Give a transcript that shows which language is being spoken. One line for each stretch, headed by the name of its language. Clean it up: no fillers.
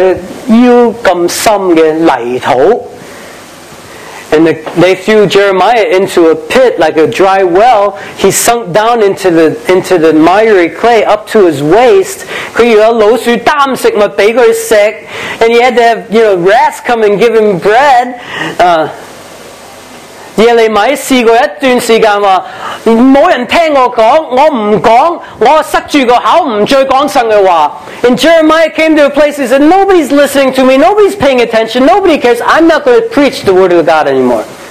Cantonese: 皇帝将耶利米苦毒，抌佢落一个井，井里边冇水，佢落到佢腰咁深嘅泥土。
English: And they threw Jeremiah into a pit like a dry well. He sunk down into the miry clay up to his waist.
Cantonese: 佢有老鼠担食物俾佢食，
English: and he had to have rats come and give him bread.
Cantonese: 耶利米试过一段时间话，冇人听我讲，我唔讲，我塞住个口唔再讲神嘅话。
English: And Jeremiah came to a place and said, "Nobody's listening to me. Nobody's paying attention. Nobody cares. I'm not going to preach the word of God anymore."